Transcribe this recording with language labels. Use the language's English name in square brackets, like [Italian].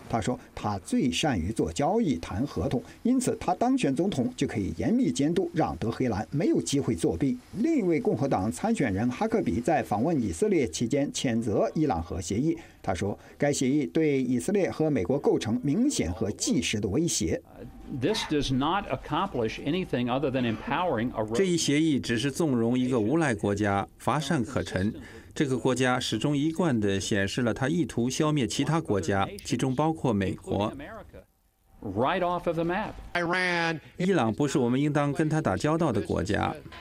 [Chinese] 他说，他最善于做交易、谈合同，因此他当选总统就可以严密监督，让德黑兰没有机会作弊。另一位共和党参选人哈克比在访问以色列期间谴责伊朗核协议。他说，该协议对以色列和美国构成明显和即时的威胁。 [English] This does not accomplish anything other than empowering a. [Chinese] 这一协议只是纵容一个无赖国家，乏善可陈。这个国家始终一贯地显示了他意图消灭其他国家，其中包括美国。 [English] Right off of the map. Iran. [Chinese] 伊朗不是我们应当跟他打交道的国家。